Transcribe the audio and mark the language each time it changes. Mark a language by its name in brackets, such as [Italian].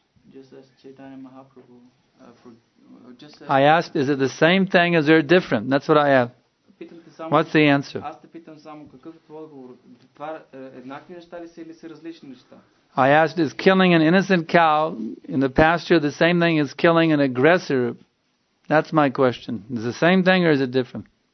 [English] Just as Chaitanya Mahaprabhu. I asked, is it the same thing or is it different? That's what I have. What's the answer? [Bulgarian] Аз те питам само какъв е твой отговор. Това еднакви неща ли са или са различни неща? [English] I asked, is killing an innocent cow in the pasture the same thing as killing an aggressor? That's my question. Is it the same thing or is it different?